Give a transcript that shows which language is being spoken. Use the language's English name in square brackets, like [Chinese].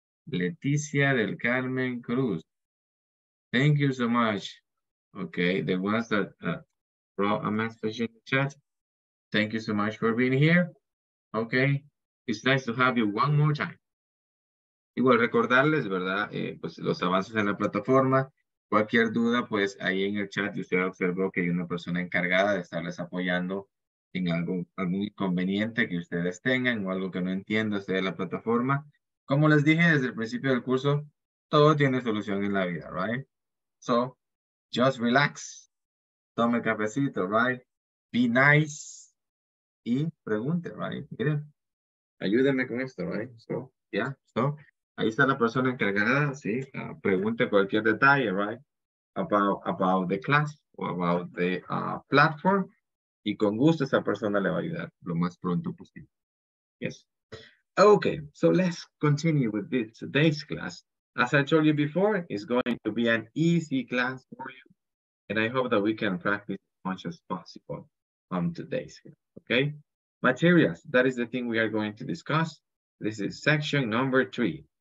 [English] Leticia del Carmen Cruz. Thank you so much. Okay, the ones that wrote a message in the chat. Thank you so much for being here. Okay, it's nice to have you one more time. [Spanish] Igual recordarles, ¿verdad? Pues los avances en la plataforma. Cualquier duda, pues ahí en el chat usted observó que hay una persona encargada de estarles apoyando en algún inconveniente que ustedes tengan o algo que no entienda usted de la plataforma. Como les dije desde el principio del curso, todo tiene solución en la vida, right? [English] So, just relax. [Spanish] Tome el cafecito, [English] right? Be nice. [Spanish] Y pregunte, right? Miren, ayúdenme con esto, right? So, yeah, so, ahí está la persona encargada, sí. Pregunte cualquier detalle, [English] right? About the class or about the platform. [Spanish] Y con gusto esa persona le va a ayudar lo más pronto posible. [English] Yes. Okay, so let's continue with today's class. As I told you before, it's going to be an easy class for you. And I hope that we can practice as much as possible on today's class, okay? Materials, that is the thing we are going to discuss. This is section number 3.